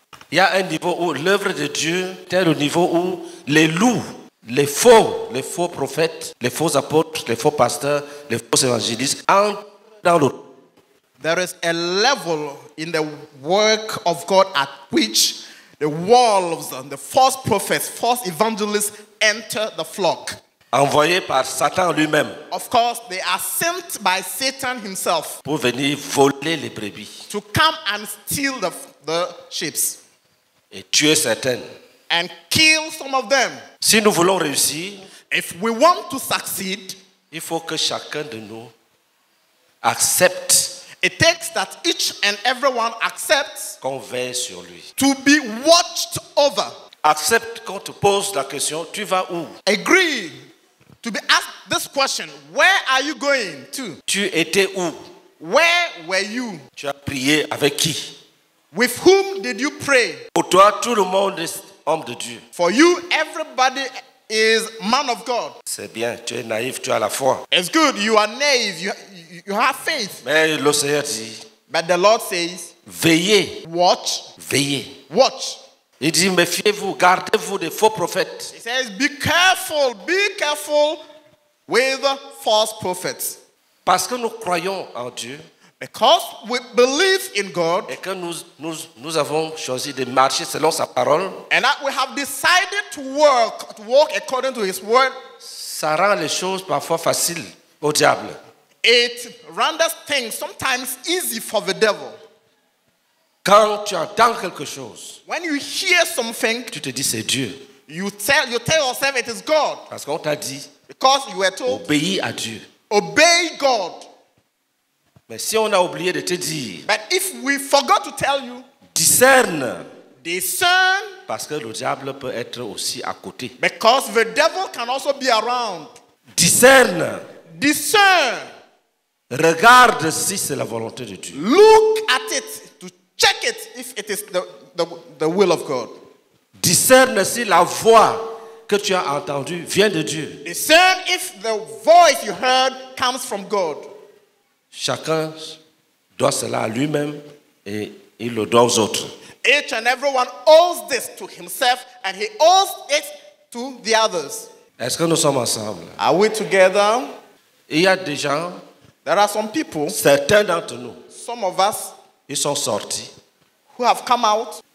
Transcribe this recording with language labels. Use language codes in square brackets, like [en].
[fr] Il y a un niveau où l'œuvre de Dieu est au niveau où les loups, les faux prophètes, les faux apôtres, les faux pasteurs, les faux évangélistes entrent dans l'autre. [en] There is a level in the work of God at which the wolves and the false prophets, false evangelists enter the flock. [fr] Envoyé par Satan lui-même. [en] Of course, they are sent by Satan himself. [fr] Pour venir voler les brebis. [en] To come and steal the sheep. [fr] Et tuer certaines. [en] And kill some of them. [fr] Si nous voulons réussir, [en] if we want to succeed, [fr] il faut que chacun de nous accepte. [en] It takes that each and everyone accepts [fr] qu'on veille sur lui. [en] To be watched over. [fr] Accepte qu'on te pose la question, tu vas où? [en] Agree to be asked this question, where are you going to? [fr] Tu étais où? [en] Where were you? [fr] Tu as prié avec qui? [en] With whom did you pray? [fr] Pour toi, tout le monde est homme de Dieu. [en] For you, everybody is man of God. [fr] C'est bien, tu es naïf, tu as la foi. [en] It's good, you are naive, you have faith. [fr] Mais le Seigneur dit, [en] but the Lord says, [fr] veillez. [en] Watch. [fr] Veillez. [en] Watch. [fr] Il dit, méfiez-vous, gardez-vous des faux prophètes. [en] He says, be careful with false prophets. [fr] Parce que nous croyons en Dieu. [en] Because we believe in God. [fr] Et que nous avons choisi de marcher selon sa parole. [en] And that we have decided to walk according to his word. [fr] Ça rend les choses parfois faciles au diable. [en] It renders things sometimes easy for the devil. [fr] Quand tu entends quelque chose, [en] when you hear something, [fr] tu te dis c'est Dieu. [en] You tell yourself it is God. [fr] Parce qu'on t'a dit, [en] because you were told, [fr] obéis à Dieu. [en] Obey God. [fr] Mais si on a oublié de te dire, [en] but if we forgot to tell you, [fr] discerne. [en] Discern. [fr] Parce que le diable peut être aussi à côté. [en] Because the devil can also be around. [fr] Discerne. [en] Discern. [fr] Regarde si c'est la volonté de Dieu. [en] Look at it to check it if it is the will of God. [fr] Discerne si la voix que tu as entendue vient de Dieu. [en] Discern if the voice you heard comes from God. [fr] Chacun doit cela à lui-même et il le doit aux autres. [en] Each and everyone owes this to himself and he owes it to the others. [fr] Est-ce que nous sommes ensemble? [en] Are we together? [fr] Il y a des gens. [en] There are some people. [fr] Certains d'entre nous. [en] Some of us. [fr] Ils sont sortis. [en] Who have come out.